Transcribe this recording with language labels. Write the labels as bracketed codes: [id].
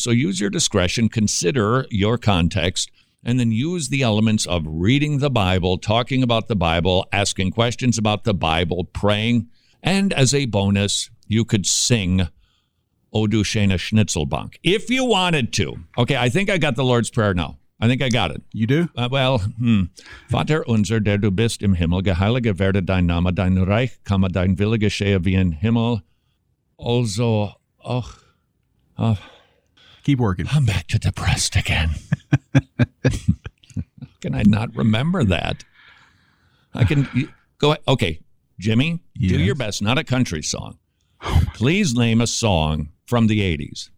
[en] So use your discretion, consider your context, and then use the elements of reading the Bible, talking about the Bible, asking questions about the Bible, praying, and as a bonus, you could sing O du Schöne Schnitzelbank. If you wanted to. Okay, I think I got the Lord's Prayer now. I think I got it. You do? [de] Vater unser, der du bist im Himmel, geheiliget werde dein Name, dein Reich komme, dein Wille geschehe wie in Himmel. [en] Also, keep working. I'm back to depressed again. Can I not remember that? I can go ahead. Okay, Jimmy, yes. Do your best. Not a country song. Please name a song from the 80s.